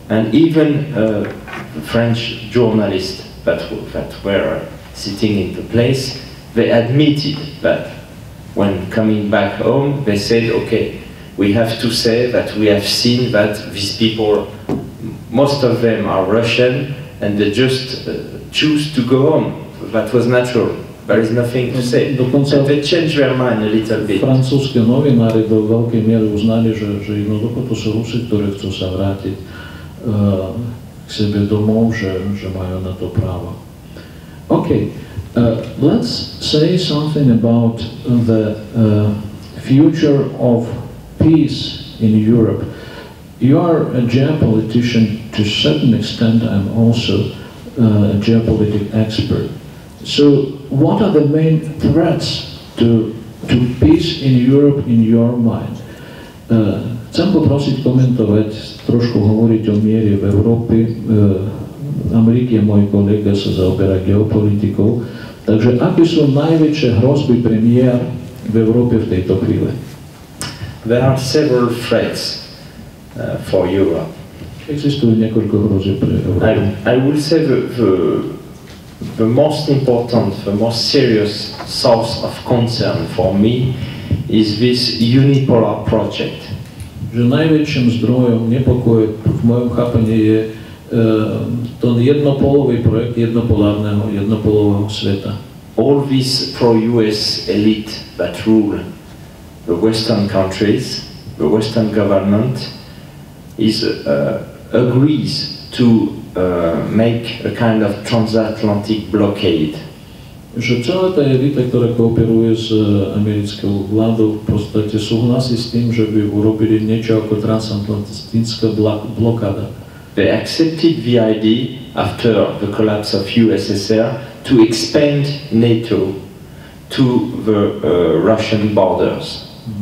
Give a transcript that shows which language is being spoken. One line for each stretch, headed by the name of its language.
English: French journalists that were sitting in the place, they admitted that when coming back home, they said, okay, we have to say that we have seen that these people, most of them are Russian, and they just choose to go home. That was natural. There is nothing to say.
Slovak: Dokonca
English: and they changed their mind a little bit.
Slovak: Francúzske novinári do veľkej miery uznali, že jednoducho to sú Rusy, ktorí chcú sa vrátiť k sebe domov, že majú na to právo.
English: Okay. Let's say something about the future of peace in Europe. You are a geopolitician to a certain extent. I'm also a geopolitical expert. So what are the main threats to peace in Europe in your mind?
Slovak: Chcem poprosiť komentovať, trošku hovoriť o miere v Európe. Ameriky je môj kolega, sa zaoberá geopolitikou. Takže aké sú najväčšie hrozby pre mier v Európe v tejto chvíli?
English: There are several threats for Europe.
Slovak: Existujú niekoľko hrozieb pre Európu.
English: I will say the the most important, the most serious source of concern for me is this unipolar project.
Slovak: Že najväčším zdrojom nepokoje v mojom chápaní je to jednopolový projekt jednopolárneho, jednopolového sveta.
English: All this pro-US elite that rule the Western countries, the Western government, is agrees to make a kind of transatlantic blockade.
Slovak: Že celá tá elita, ktorá kooperuje s americkou vládou, v podstate súhlasí s tým, že by urobili niečo ako transatlantická blokáda.
English: They accepted the idea after the collapse of USSR to expand NATO to the Russian borders.